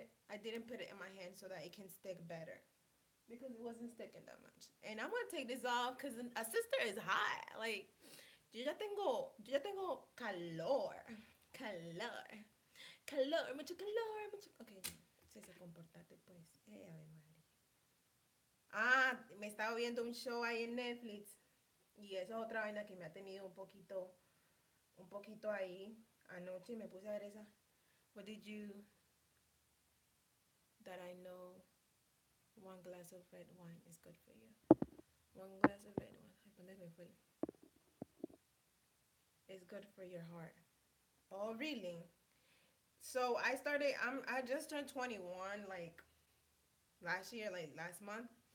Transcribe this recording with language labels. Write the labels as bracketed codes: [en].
[en] I didn't put it in my hand so that it can stick better because it wasn't sticking that much. And I'm gonna take this off because a sister is hot. [es] Like, yo ya tengo calor, mucho calor, mucho. Okay, si se comportate pues. Ah, me estaba viendo un show ahí en Netflix y esa es otra vaina que me ha tenido un poquito ahí anoche. Me puse a ver esa. [en] What did you? That I know one glass of red wine is good for you. One glass of red wine. Let me put it. It's good for your heart. Oh, really? So, I just turned 21, like, last year, like, last month.